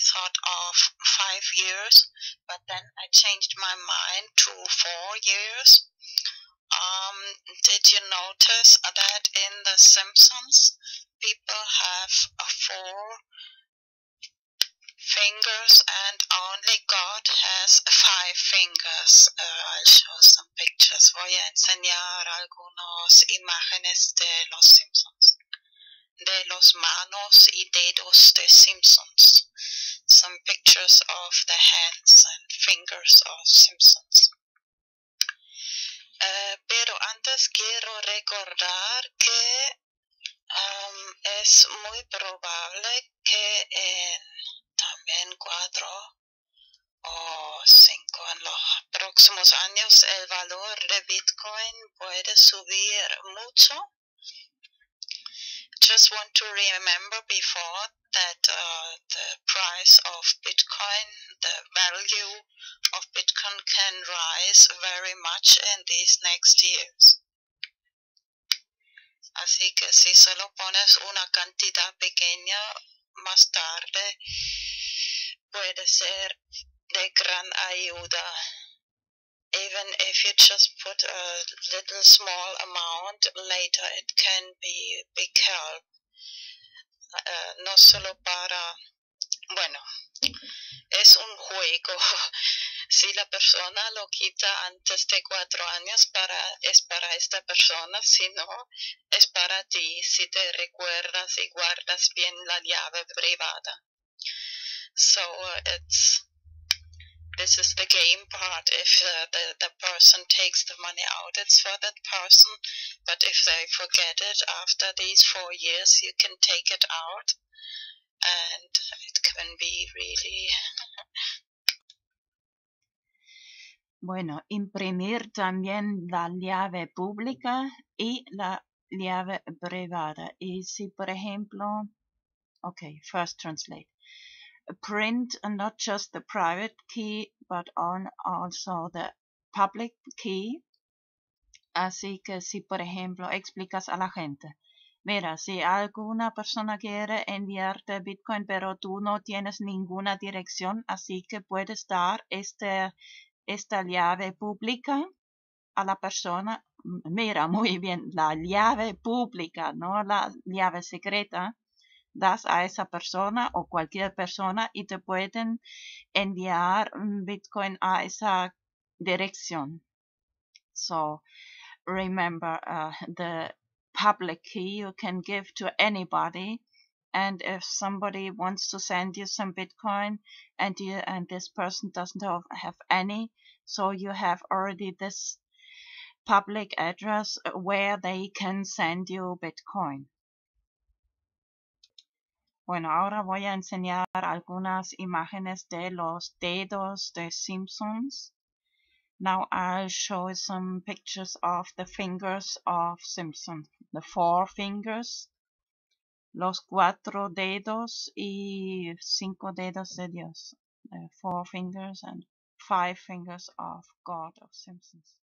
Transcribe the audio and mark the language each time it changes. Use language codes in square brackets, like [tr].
[en] thought of 5 years, but then I changed my mind to 4 years. Did you notice that in The Simpsons, people have four fingers and only God has five fingers? I'll show some pictures. [es] Voy a enseñar algunas imágenes de Los Simpsons. De los manos y dedos de Simpsons. [en] Some pictures of the hands and fingers of Simpsons. [es] Pero antes quiero recordar que es muy probable que en también 4 o 5 en los próximos años el valor de Bitcoin puede subir mucho. [en] Just want to remember before that the price of Bitcoin, the value of Bitcoin can rise very much in these next years. [es] Así que si solo pones una cantidad pequeña, más tarde puede ser de gran ayuda. [en] Even if you just put a little small amount, later it can be big help. [es] No solo para, bueno, es un juego. Si la persona lo quita antes de 4 años, es para esta persona. Si no, es para ti, si te recuerdas y guardas bien la llave privada. [en] So it's... This is the game part. If the person takes the money out, it's for that person. But if they forget it after these 4 years, you can take it out. And it can be really... [es] Bueno, imprimir también la llave pública y la llave privada. Y si, por ejemplo... [en] Okay, first translate. Print not just the private key, but on also the public key. [es] Así que si, por ejemplo, explicas a la gente. Mira, si alguna persona quiere enviarte Bitcoin, pero tú no tienes ninguna dirección, así que puedes dar esta llave pública a la persona. Mira, muy bien, la llave pública, no la llave secreta. Das a esa persona o cualquier persona y te pueden enviar Bitcoin a esa dirección. [en] So, remember, the public key you can give to anybody. And if somebody wants to send you some Bitcoin and this person doesn't have any, so you have already this public address where they can send you Bitcoin. [es] Bueno, ahora voy a enseñar algunas imágenes de los dedos de Simpsons. [en] Now I'll show some pictures of the fingers of Simpsons. The four fingers, [es] los cuatro dedos y cinco dedos de Dios. [en] Four fingers and five fingers of God of Simpsons.